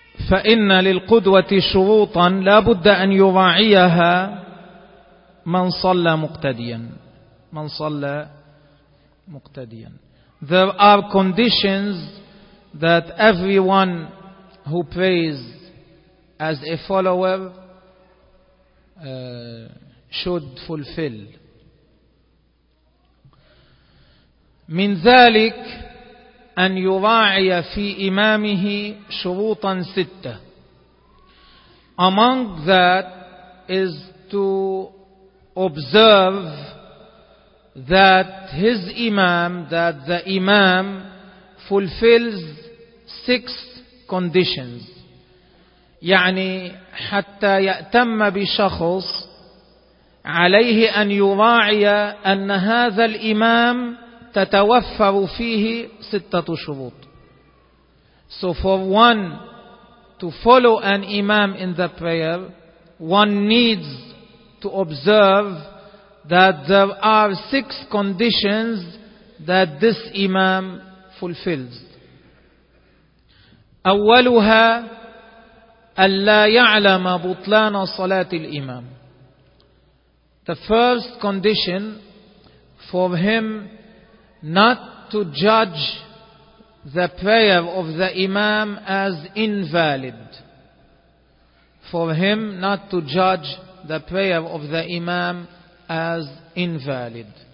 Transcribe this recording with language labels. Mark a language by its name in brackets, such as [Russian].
[Arabic] فإن للقدوة شروطا لا بد أن يراعيها من صلى مقتديا. من صلى مقتديا. [English] There are conditions that everyone who prays as a follower should fulfill. [Arabic] من ذلك أن يراعي في إمامه شروطا ستة. [English] Among that is to observe that his imam, that the imam fulfills six conditions. [Arabic] يعني حتى يأتم بشخص عليه أن يراعي أن هذا الإمام تتوفر فيه ستة شروط. [English] So for one to follow an imam in the prayer, one needs to observe that there are six conditions that this imam fulfills. [Arabic] أولها ألا يعلم بطلان صلاة الإمام. [English] The first condition for him not to judge the prayer of the imam as invalid. For him not to judge the prayer of the imam as invalid.